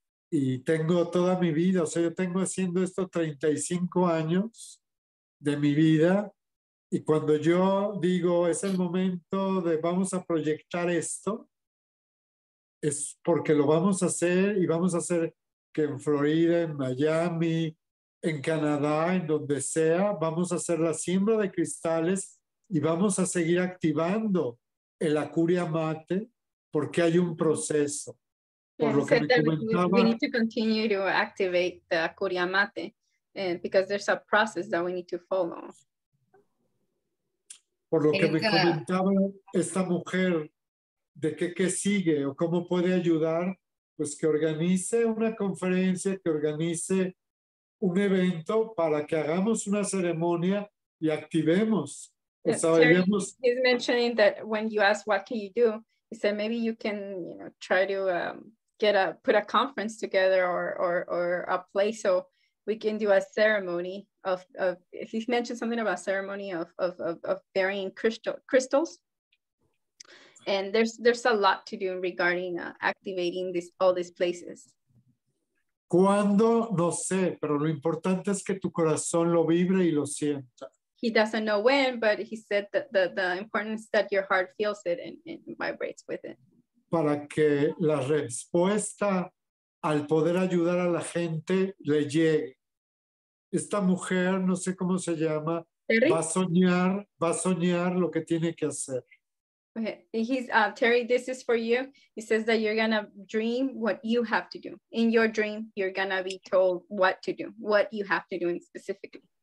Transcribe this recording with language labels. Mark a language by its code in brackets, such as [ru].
[es] y tengo toda mi vida, o sea, yo tengo haciendo esto 35 años de mi vida, y cuando yo digo es el momento de vamos a proyectar esto, es porque lo vamos a hacer, y vamos a hacer que en Florida, en Miami, en Canadá, en donde sea, vamos a hacer la siembra de cristales y vamos a seguir activando el Acuria Mate, porque hay un proceso. Por lo que me comentaba, [en] we need to continue to activate the Acuria Mate because there's a process that we need to follow. [es] Por lo que me comentaba esta mujer, de qué sigue o cómo puede ayudar, pues que organice una conferencia, que organice un evento para que hagamos una ceremonia y activemos. [en] He's mentioning that when you ask what can you do, he said maybe you can, you know, try to put a conference together or a place so we can do a ceremony of he mentioned something about ceremony of burying crystals. And there's a lot to do regarding activating all these places. [es] Cuando no sé, pero lo importante es que tu corazón lo vibre y lo sienta. [en] He doesn't know when, but he said that the importance that your heart feels it and vibrates with it. [es] Para que la respuesta al poder ayudar a la gente le llegue. Esta mujer, no sé cómo se llama, va a soñar lo que tiene que hacer. [en] Okay. Terry, this is for you. He says that you're going to dream what you have to do. In your dream, you're going to be told what to do, what you have to do specifically.